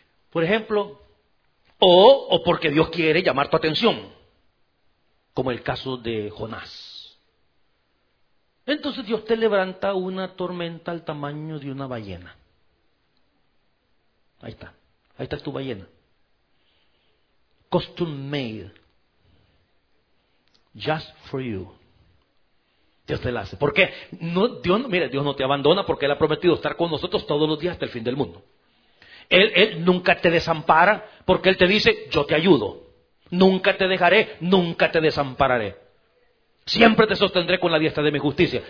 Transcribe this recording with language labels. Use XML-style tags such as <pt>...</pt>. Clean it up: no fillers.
<es>Por ejemplo, o porque Dios quiere llamar tu atención, como el caso de Jonás. Entonces Dios te levanta una tormenta al tamaño de una ballena. Ahí está tu ballena.</es> <en>Custom made, just for you.</en> <es>Dios te la hace. ¿Por qué? No, Dios, mira, Dios no te abandona porque Él ha prometido estar con nosotros todos los días hasta el fin del mundo. Él nunca te desampara porque Él te dice: yo te ayudo. Nunca te dejaré, nunca te desampararé. Siempre te sostendré con la diestra de mi justicia.</es>